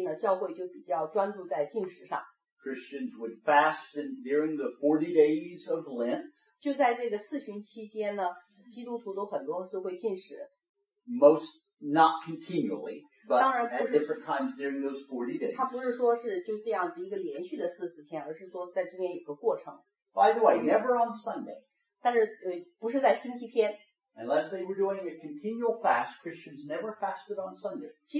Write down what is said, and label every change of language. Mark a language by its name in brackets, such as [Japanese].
[Chinese] 就是传统上呢，就在这四十，就这段时期呢，四旬期呢，教会就比较专注在进食上。 [English] Christians would fast during the 40 days of Lent. [Chinese] 就在这个四旬期间呢，基督徒都很多是会进食。 [English] Most not continually, but at different times during those 40 days. [Chinese] 他不是说是就这样子一个连续的40天，而是说在中间有个过程。 [English] By the way, never on Sunday. [Chinese] 但是不是在星期天。 [English] Unless they were doing a continual fast, Christians never fasted on Sunday.